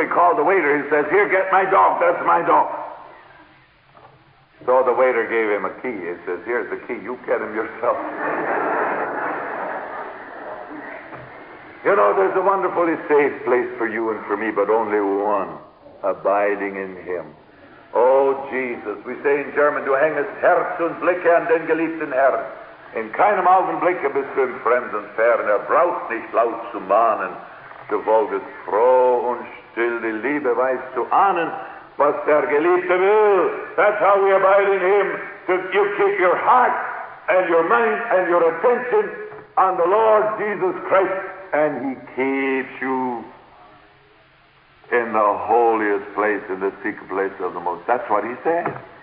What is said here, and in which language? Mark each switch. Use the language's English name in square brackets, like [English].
[English] He called the waiter. He says, "Here, get my dog. That's my dog." So the waiter gave him a key. He says, "Here's the key. You get him yourself." You know, there's a wonderfully safe place for you and for me, but only one, abiding in him. Oh, Jesus, we say in German, [German] du hängest Herz und Blicke an den geliebten Herrn. In keinem Augenblicke bist du im fremden Fern, brauchst nicht laut zu mahnen. Du wolltest froh und still die Liebe weiß zu ahnen, was der Geliebte will. [English] That's how we abide in him. You keep your heart and your mind and your attention on the Lord Jesus Christ. And he keeps you in the holiest place, in the secret place of the most. That's what he said.